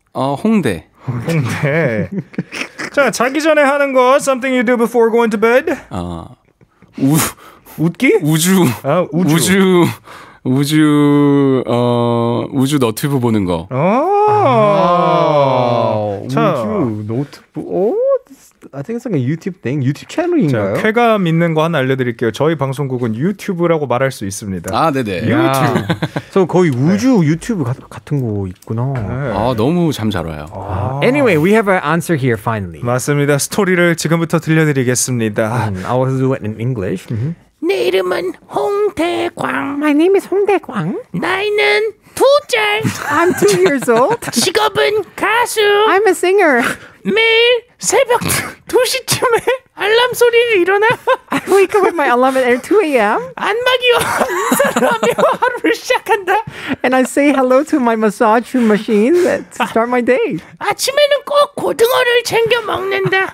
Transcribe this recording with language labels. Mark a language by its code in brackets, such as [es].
[ko] 홍대. [en] 홍대. 자, [ko] 자기 전에 하는 거 [en] something you do before going to bed. [ko] 아. 웃기? 우주. 아, 우주. 우주. 우주 어 우주 너튜브 보는 거. 아. 자, 우주 노트북. [en] 오, I think it's like a YouTube thing. [ko] YouTube 채널인가요? 자, 쾌감 있는 거 하나 알려드릴게요. 저희 방송국은 유튜브라고 말할 수 있습니다. 아, 네네. 유튜브. 저 거의 우주 네. 유튜브 같은 거 있구나. 네. 아, 너무 잠 잘 와요. 아. [en] Anyway, we have our answer here finally. [ko] 맞습니다. 스토리를 지금부터 들려드리겠습니다. [en] I was doing it in English. Mm-hmm. [ko] 내 이름은 홍대광. [en] My name is 홍대광. [ko] 나이는 두 살. [en] I'm 2 years old. [ko] 직업은 가수. [en] I'm a singer. [ko] 매일 새벽 2시쯤에 알람 소리를 일어나. [en] I wake up with my alarm at 2 a.m. [ko] 안마기와 인사하며 하루를 시작한다. [en] And I say hello to my massage machine to start my day. [ko] 아침에는 꼭 고등어를 챙겨 먹는다.